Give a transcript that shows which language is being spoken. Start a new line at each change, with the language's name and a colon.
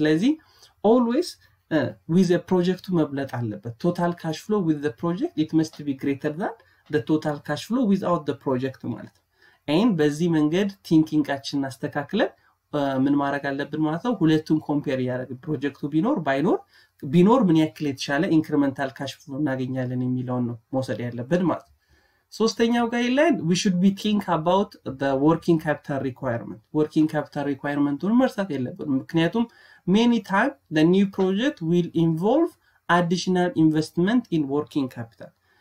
Amharic: ስለዚህ
English: always with the project
Amharic: መብለጥ አለበት።
English: total cash flow with the project it must be greater than the total cash flow without the project
Amharic: ማለት አይን። በዚህ መንገድ ቲንኪንጋችንን አስተካክለን ምን ማድረግ አለብን ማለት ነው? ሁለቱን ኮምፔር ያደርግ ፕሮጀክቱ ቢኖር ባይኖር ቢኖር ምን ያክል የተሻለ ኢንክሪመንታል ካሽ ፍሎ እናገኛለን የሚለውን ነው መውሰድ ያለብን ማለት ነው። ሶስተኛው ጋይድላይን
English: we should be think about the working capital requirement.
Amharic: working capital requirementን መርሳት የለብንም ምክንያቱም
English: many time the new project will involve additional investment in working capital.